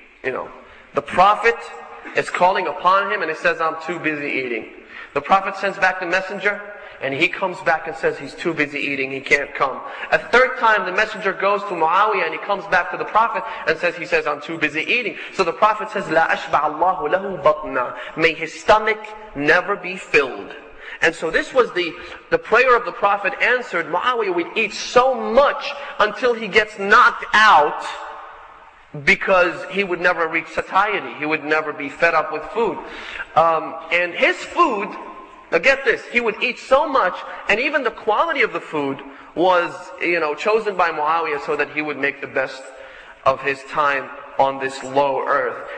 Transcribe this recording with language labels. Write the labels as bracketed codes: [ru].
[en] You know, the Prophet is calling upon him and he says, I'm too busy eating. The Prophet sends back the messenger and he comes back and says, he's too busy eating, he can't come. A third time, the messenger goes to Muawiyah and he comes back to the Prophet and says, he says, I'm too busy eating. So the Prophet says, [ar] لَا أَشْبَعَ اللَّهُ لَهُ بَطْنًا. [en] May his stomach never be filled. And so this was the prayer of the Prophet answered. Muawiyah would eat so much until he gets knocked out because he would never reach satiety. He would never be fed up with food. And his food, now get this, he would eat so much, and even the quality of the food was, you know, chosen by Muawiyah so that he would make the best of his time on this low earth.